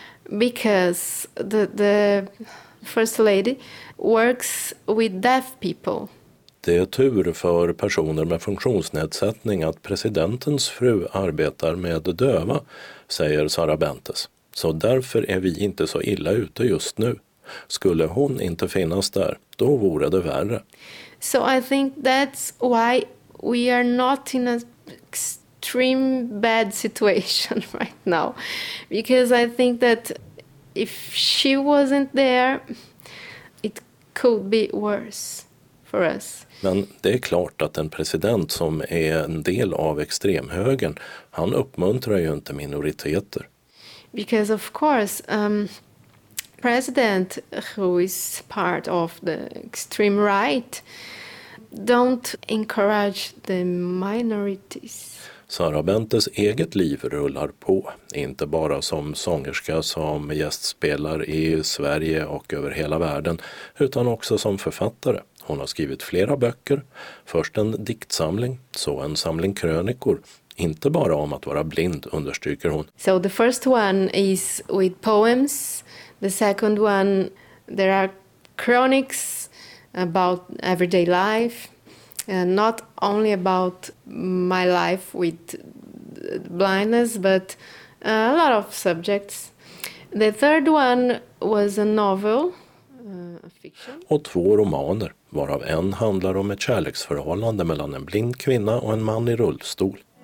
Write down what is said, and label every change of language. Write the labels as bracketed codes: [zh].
[en] Because the first lady works with deaf people. [sv] Det är tur för personer med funktionsnedsättning att presidentens fru arbetar med döva, säger Sara Bentes. Så därför är vi inte så illa ute just nu. Skulle hon inte finnas där, då vore det värre. [en] So I think that's why we are not in a extreme bad situation right now. Because I think that if she wasn't there, it could be worse for us. [sv] Men det är klart att en president som är en del av extremhögern, han uppmuntrar ju inte minoriteter. [en] Because of course, president who is part of the extreme right don't encourage the minorities. [sv] Sara Bentes eget liv rullar på, inte bara som sångerska som gästspelar i Sverige och över hela världen, utan också som författare. Hon har skrivit flera böcker, först en diktsamling, så en samling krönikor, inte bara om att vara blind, understryker hon. [en] So the first one is with poems, the second one there are chronics about everyday life. Not only about my life with blindness, but a lot of subjects. The third one was a novel, a fiction. [sv] Och två romaner, varav en handlar om ett kärleksförhållande mellan en blind kvinna och en man i rullstol.